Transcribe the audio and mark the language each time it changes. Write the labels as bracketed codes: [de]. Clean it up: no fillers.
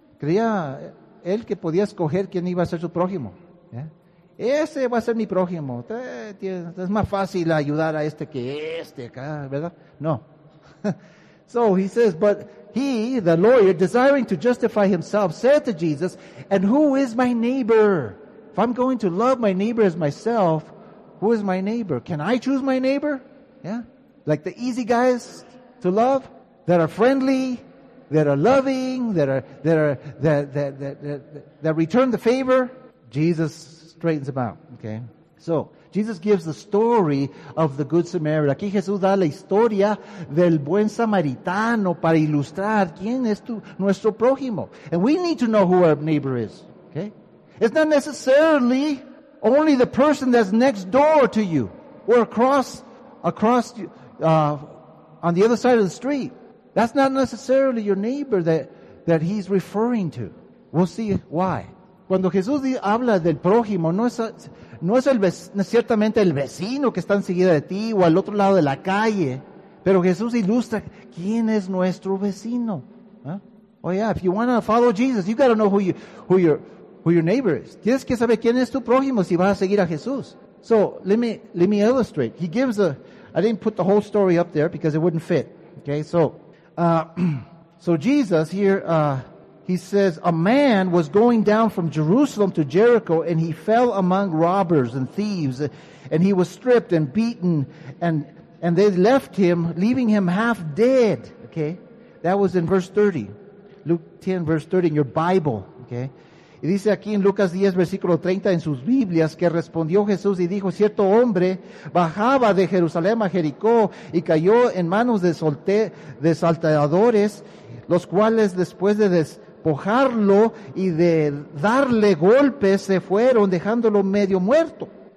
[es] Creía él que podía escoger quién iba a ser su prójimo. Ese va a ser mi prójimo. Es más fácil ayudar a este que este acá, ¿verdad? No. [en] So he says, but he, the lawyer, desiring to justify himself, said to Jesus, and who is my neighbor? If I'm going to love my neighbor as myself, who is my neighbor? Can I choose my neighbor? Yeah. Like the easy guys to love that are friendly, that are loving, that return the favor. Jesus straightens them out. Okay. So Jesus gives the story of the Good Samaritan. [es] Aquí Jesús da la historia del buen samaritano para ilustrar quién es nuestro prójimo. [en] And we need to know who our neighbor is. Okay. It's not necessarily only the person that's next door to you or across on the other side of the street. That's not necessarily your neighbor that he's referring to. We'll see why. [es] Cuando Jesús habla del prójimo, no es ciertamente el vecino que está enseguida de ti o al otro lado de la calle, pero Jesús ilustra quién es nuestro vecino. ¿Eh? [en] Oh yeah, if you want to follow Jesus, you got to know who your neighbor is. [es] Tienes que saber quién es tu prójimo si vas a seguir a Jesús. [en] So, let me illustrate. He gives I didn't put the whole story up there because it wouldn't fit. Okay, so Jesus here, he says, a man was going down from Jerusalem to Jericho and he fell among robbers and thieves and he was stripped and beaten and they left him, leaving him half dead. Okay, that was in verse 30. Luke 10, verse 30 in your Bible. Okay. [es] Y dice aquí en Lucas 10, versículo 30, en sus Biblias, que respondió Jesús y dijo, cierto hombre bajaba de Jerusalén a Jericó y cayó en manos de asaltadores, los cuales después de despojarlo y de darle golpes, se fueron dejándolo medio muerto.